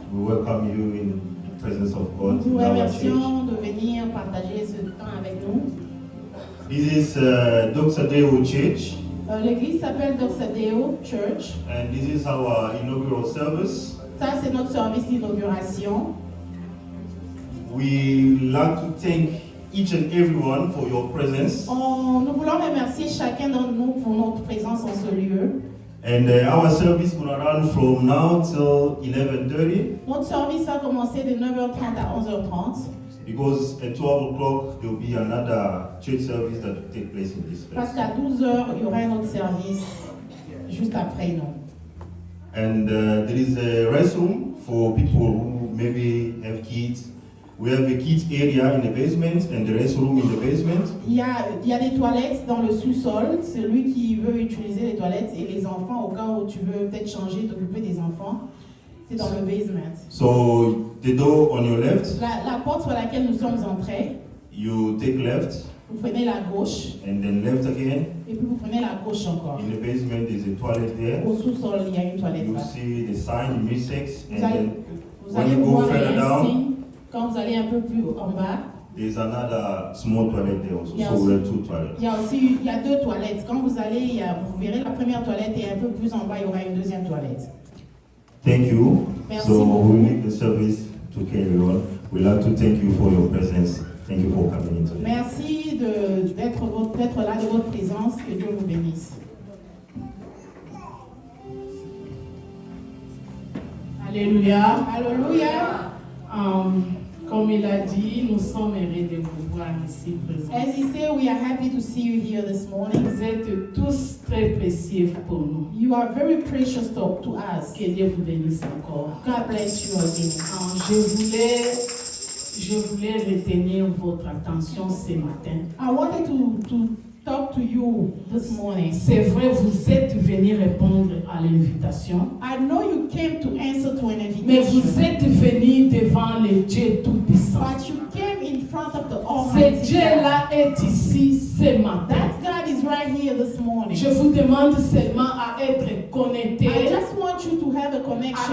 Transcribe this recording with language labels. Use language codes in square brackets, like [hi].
[en] We welcome you in the presence of God. [fr] Nous vous remercions de venir partager ce temps avec nous. [en] This is Doxa Deo Church. [fr] L'église s'appelle Doxa Deo Church. [en] And this is our inaugural service. [fr] Ça, c'est notre service d'inauguration. [en] We like to thank each and everyone for your presence. [fr] Nous voulons remercier chacun d'entre nous pour notre présence en ce lieu. [en] And our service will run from now till 11:30. [fr] Notre service va commencer de 9h30 à 11h30. [en] Because at 12 o'clock there will be another church service that will take place in this place. [fr] Parce qu'à 12h il y aura un autre service juste après nous. [en] And there is a restroom for people who maybe have kids. We have a kids area in the basement and the restroom in the basement. [fr] Il y a des toilettes dans le sous-sol. Celui qui veut utiliser les toilettes et les enfants, au cas où tu veux peut-être changer, t'occuper des enfants, c'est dans le basement. [en] So the door on your left. [fr] La porte sur laquelle nous sommes entrés. [en] You take left. [fr] Vous prenez la gauche. [en] And then left again. [fr] Et puis vous prenez la gauche encore. [en] In the basement there's a toilet there. [fr] Au sous-sol il y a une toilette. [en] You [fr] là. [en] See the sign unisex. [fr] Vous allez voir les signes. Quand vous allez un peu plus en bas, [en] there's another small toilet there also. So we have two toilets. [fr] Il y a deux toilettes. Quand vous allez, vous verrez la première toilette et un peu plus en bas, il y aura une deuxième toilette. [en] Thank you. [fr] Merci [en] so [fr] beaucoup. [en] We need the service to carry on. We'd like to thank you for your presence. Thank you for coming in today. [fr] Merci d'être là, de votre présence. Que Dieu vous bénisse. Alléluia. Alléluia. Comme il a dit, nous sommes heureux de vous voir ici présent. [en] As he said, we are happy to see you here this morning. [fr] Vous êtes tous très précieux pour nous. [en] You are very precious to us. [fr] Que Dieu vous bénisse encore. [en] God bless you again. [fr] Je voulais retenir votre attention ce matin. [en] I wanted to talk to you this morning. [fr] C'est vrai, vous êtes venu répondre à l'invitation. [en] I know you came to answer to an invitation. [fr] Mais vous êtes venu devant le Dieu tout-puissant. [en] But you came in front of the Almighty. [fr] Ce Dieu-là est ici ce matin. [en] That God is right here this morning. [fr] Je vous demande seulement à être connecté. [en] I just want you to have a connection.